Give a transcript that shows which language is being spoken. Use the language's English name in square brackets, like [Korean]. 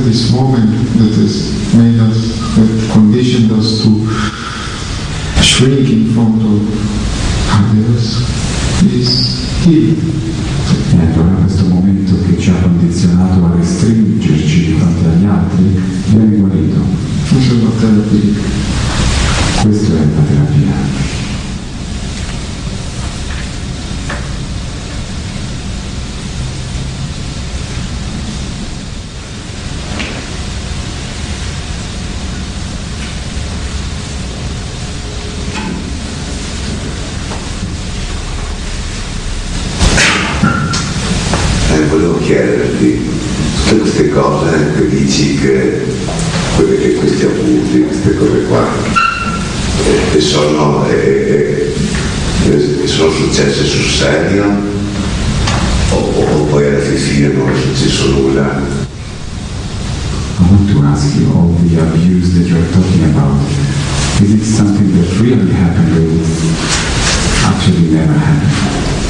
[English] moment that has made us, that conditioned us to shrink in front of others, is here. [Italian] E allora questo momento che ci ha condizionato a restringerci di fronte agli altri viene guarito. Questa è la terapia. Questa è la terapia. Chiederti tutte queste cose che dici, che questi appunti, queste cose qua, sono successe sul serio o poi alla fine non è successo nulla? [English] I want to ask you all the abuse that you're talking about. Is it something that really happened or actually never happened?